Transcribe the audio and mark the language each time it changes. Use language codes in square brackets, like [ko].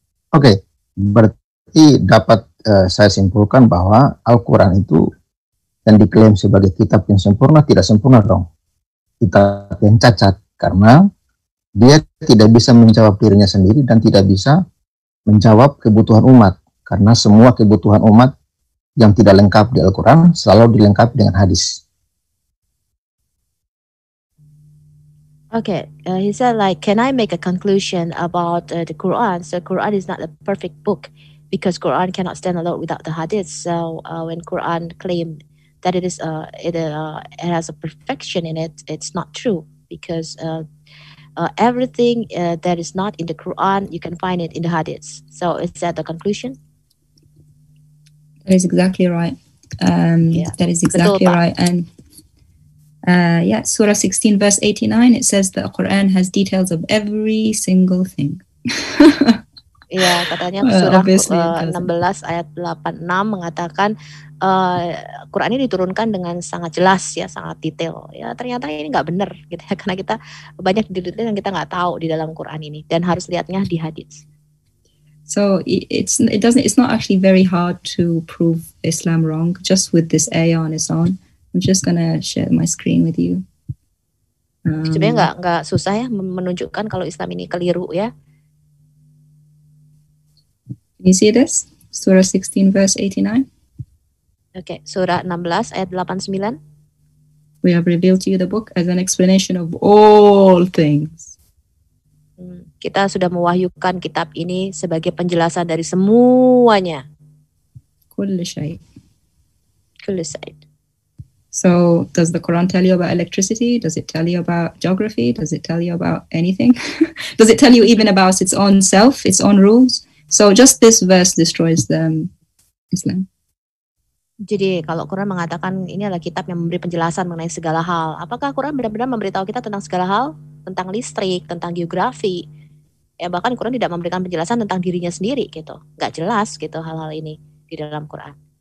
[id] Oke, berarti dapat saya simpulkan bahwa Al-Quran itu yang diklaim sebagai kitab yang sempurna, tidak sempurna dong. Kitab yang cacat, karena dia tidak bisa menjawab dirinya sendiri dan tidak bisa menjawab kebutuhan umat, karena semua kebutuhan umat yang tidak lengkap di Al-Quran selalu dilengkapi dengan hadis. [en] Okay, he said like, can I make a conclusion about the Quran? So Quran is not a perfect book because Quran cannot stand alone without the hadis. So when Quran claimed that it is it has a perfection in it, it's not true because everything that is not in the Quran you can find it in the hadis. So is that the conclusion? That is exactly right. That is exactly right. And Surah 16, verse 89, it says the Quran has details of every single thing. [id] Yeah, katanya Surah 16, ayat 86 mengatakan Quran ini diturunkan dengan sangat jelas ya, sangat detail. Ya, ternyata ini nggak benar, gitu ya, karena kita banyak detail yang kita nggak tahu di dalam Quran ini dan harus lihatnya di hadis. [en] So it's not actually very hard to prove Islam wrong just with this ayah on its own. I'm just gonna share my screen with you. [id] Sebenarnya nggak susah ya menunjukkan kalau Islam ini keliru ya. [en] Can you see this? Surah 16 verse 89. [id] Okay, surah 16 ayat 89. [en] We have revealed to you the book as an explanation of all things. [id] Kita sudah mewahyukan kitab ini sebagai penjelasan dari semuanya. [ar] Kullu syai. [en] So, does the Quran tell you about electricity? Does it tell you about geography? Does it tell you about anything? Does it tell you even about its own self, its own rules? So, just this verse destroys the Islam. [id] Jadi kalau Quran mengatakan ini adalah kitab yang memberi penjelasan mengenai segala hal, apakah Quran benar-benar memberitahu kita tentang segala hal? Tentang listrik, tentang geografi, ya bahkan Quran tidak memberikan penjelasan tentang dirinya sendiri gitu, nggak jelas gitu hal-hal ini di dalam Quran.